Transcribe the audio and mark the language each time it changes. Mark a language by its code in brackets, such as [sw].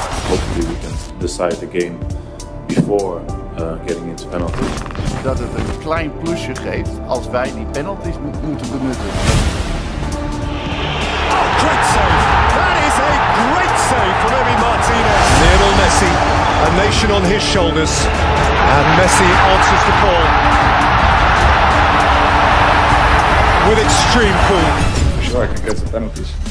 [en] Hopefully we can decide the game before getting into penalties. [nl] Dat het een klein plusje geeft als wij die penalties moeten benutten. [en] Oh, great save! That is a great save from Emi Martinez. Lionel Messi, a nation on his shoulders, and Messi answers the call with extreme cool. I'm sure I can get some penalties.